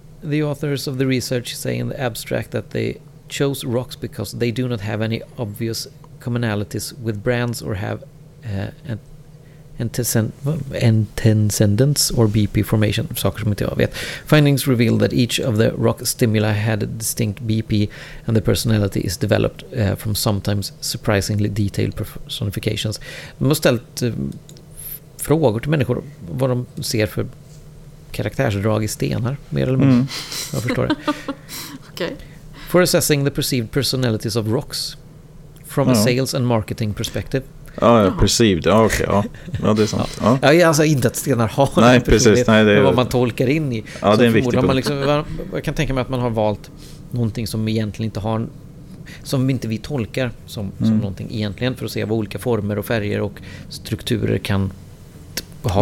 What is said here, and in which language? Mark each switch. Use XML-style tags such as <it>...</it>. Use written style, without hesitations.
<en>The authors of the research say in the abstract that they chose rocks because they do not have any obvious commonalities with brands or have Entendence or BP formation,</en> <sv>saker som inte jag vet.</sv> <en>Findings reveal that each of the rock stimuli had a distinct BP and the personality is developed from sometimes surprisingly detailed personifications.</en> <sv>De har ställt frågor till människor vad de ser för karaktärsdrag i stenar, mer eller mindre. Jag förstår det.</sv> <en>Okay. For assessing the perceived personalities of rocks from a sales and marketing perspective.</en> <sv>Perceived. Okay, ja, det är sant. Ja, alltså inte att stenar har. Nej, precis. Nej, det är vad man tolkar in i. Ja, så det är en viktig punkt. Man liksom, jag kan tänka mig att man har valt någonting som egentligen inte har, som inte vi tolkar som någonting egentligen, för att se vad olika former och färger och strukturer kan ha.</sv>